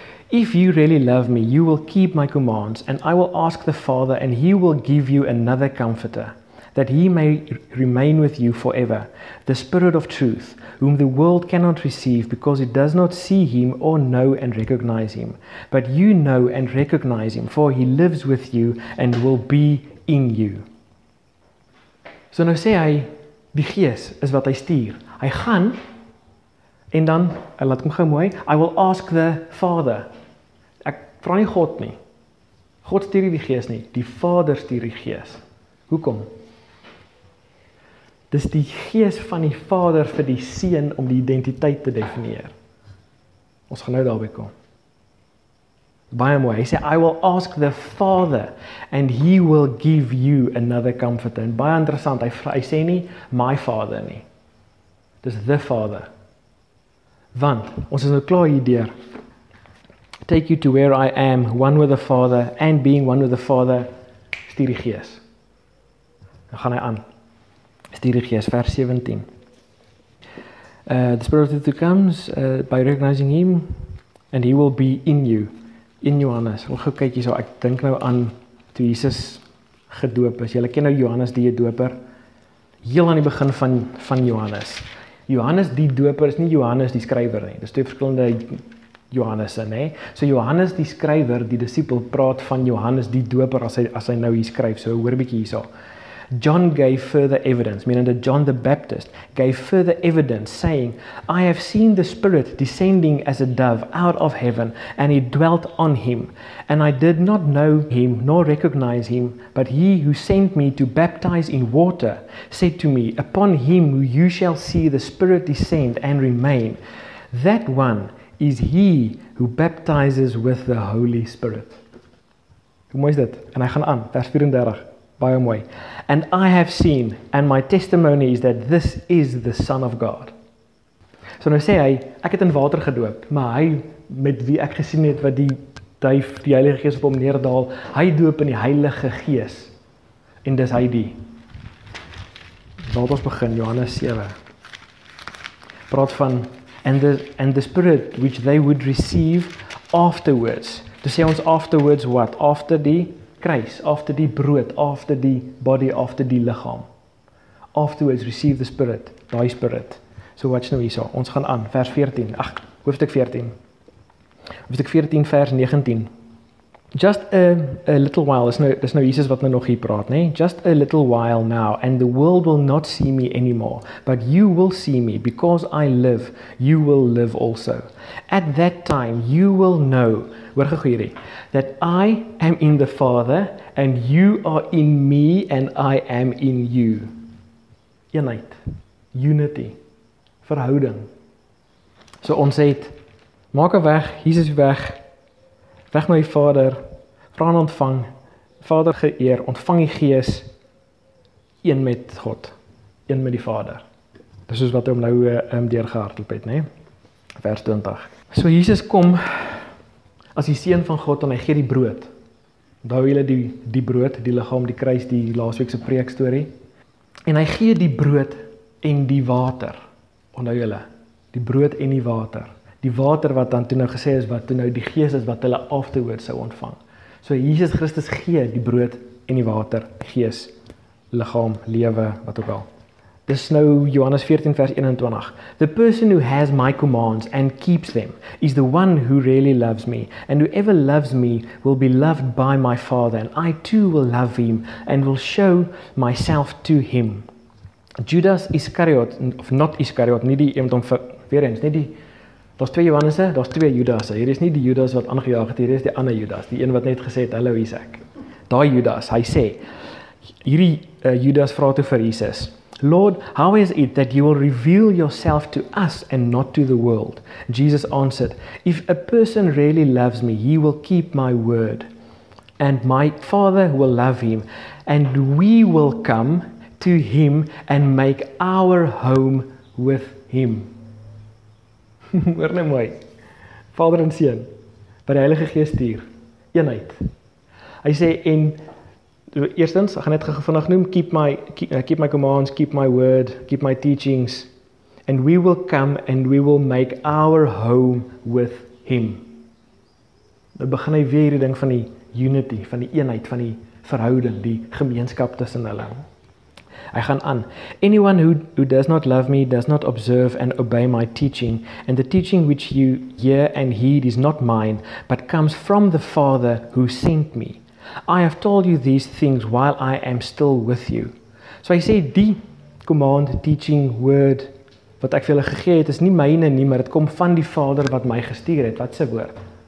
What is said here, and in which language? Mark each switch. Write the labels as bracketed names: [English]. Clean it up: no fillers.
[English] If you really love me, you will keep my commands, and I will ask the Father, and he will give you another comforter, that he may remain with you forever, the Spirit of truth, whom the world cannot receive, because it does not see him or know and recognize him. But you know and recognize him, for he lives with you and will be in you. [Afrikaans] So nou sê hy, die Gees is wat hy stuur. Hy gaan, en dan, laat hom gou mooi, [English] I will ask the Father. [Afrikaans] Ek vra nie God nie. God stuur die Gees nie, die Vader stuur die Gees. Hoekom? Dis die Gees van die Vader vir die Seun om die identiteit te definieer. Ons gaan nou daarby kom. baie mooi. Hy sê, [English] I will ask the Father and he will give you another comforter. [Afrikaans] En baie interessant, hy sê nie [English] my Father [Afrikaans] nie. Dit is [English] the Father. [Afrikaans] Want, ons is nou klaar hierdeur. [English] Take you to where I am, one with the Father, and being one with the Father, [Afrikaans] stuur die Gees. Dan gaan hy aan. Stuur die Gees, vers 17. [English] The Spirit of the Two comes by recognizing him, and he will be in you. [Afrikaans] In Johannes. Wil gou kyk hierso, ek dink nou aan toe Jesus gedoop is. Julle ken nou Johannes die Doper. Heel aan die begin van Johannes. Johannes die Doper is nie Johannes die skrywer nie. Dis twee verskillende Johannes en nee. So Johannes die skrywer, die disipel praat van Johannes die Doper as hy nou hier skryf. So hoor 'n bietjie hierso. [English] John gave further evidence, meaning that John the Baptist gave further evidence, saying, I have seen the Spirit descending as a dove out of heaven, and he dwelt on him. And I did not know him nor recognize him, but he who sent me to baptize in water said to me, Upon him you shall see the Spirit descend and remain. That one is he who baptizes with the Holy Spirit. [Afrikaans] Hoe mooi is dit? En hy gaan aan, vers 34. Baie mooi. [English] And I have seen, and my testimony is that this is the Son of God. [Afrikaans] So nou sê hy, ek het in water gedoop, maar hy met wie ek gesien het wat die duif, die Heilige Gees op hom neerdaal, hy doop in die Heilige Gees. En dis hy die. Laat ons begin, Johannes 7. Praat van, [English] and the Spirit which they would receive afterwards. [Afrikaans] To sê ons [English] afterwards what? After [Afrikaans] die kruis, after die brood, after die [English] body, after [Afrikaans] die lichaam. [English] Afterwards, receive the Spirit, die Spirit. So watch [Afrikaans] nou hierso. Ons gaan aan, vers 14, hoofstuk 14. Hoofstuk 14, vers 19. [English] Just a little while, [Afrikaans] dis nou Jesus wat nou nog hier praat, nee? [English] Just a little while now, and the world will not see me anymore. But you will see me, because I live, you will live also. At that time, you will know, [Afrikaans] hoor gou hierdie, [English] that I am in the Father, and you are in me, and I am in you. [Afrikaans] Eenheid. [English] Unity. [Afrikaans] Verhouding. So ons het, maak hom weg, Jesus weg, weg na die Vader, vra en ontvang, Vader geëer, ontvang die Gees, een met God, een met die Vader. Dis soos wat hy hom nou deurgehardloop het, nee? Vers 20. So Jesus kom, as die Seun van God, en hy gee die brood. Onthou julle die brood, die liggaam, die kruis, die laasweekse preekstorie. En hy gee die brood en die water. Onthou julle, die brood en die water. Die water wat dan toe nou gesê is, wat toe nou die Gees is, wat hulle [English] afterwards [Afrikaans] sou ontvang. So Jesus Christus gee die brood en die water, Gees, liggaam, lewe, wat ook al. [English] This is now Johannes 14 verse 21. The person who has my commands and keeps them is the one who really loves me. And whoever loves me will be loved by my Father. And I too will love him and will show myself to him. [Afrikaans] Judas Iscariot, [English] of not Iscariot, [Afrikaans] nie die eendom weer eens, nie die, daar's twee Johannese, daar's twee Judasse. Hier is nie die Judas wat aangejaag het, hier is die ander Judas, die een wat net gesê het, [English] hallo Isaac. [Afrikaans] Daai Judas, hy sê, hierdie Judas vra toe vir Jesus, [English] Lord, how is it that you will reveal yourself to us and not to the world? Jesus answered, If a person really loves me, he will keep my word, and my Father will love him, and we will come to him and make our home with him. [Afrikaans] Hoor nou mooi. Vader en Seun, wat die Heilige Gees stuur, eenheid. Hy sê, en eerstens, ek gaan net vinnig noem, [English] keep my commands, keep my word, keep my teachings, and we will come and we will make our home with him. [Afrikaans] Nou begin hy weer die ding van die [English] unity, [Afrikaans] van die eenheid, van die verhouding, die gemeenskap tussen hulle. Hy gaan aan. [English] Anyone who does not love me, does not observe and obey my teaching, and the teaching which you hear and heed is not mine, but comes from the Father who sent me. I have told you these things while I am still with you. [Afrikaans] So hy sê, die [English] command, teaching, word, [Afrikaans] wat ek vir julle gegee het, is nie myne nie, maar het kom van die Vader wat my gestuur het. Wat se woord?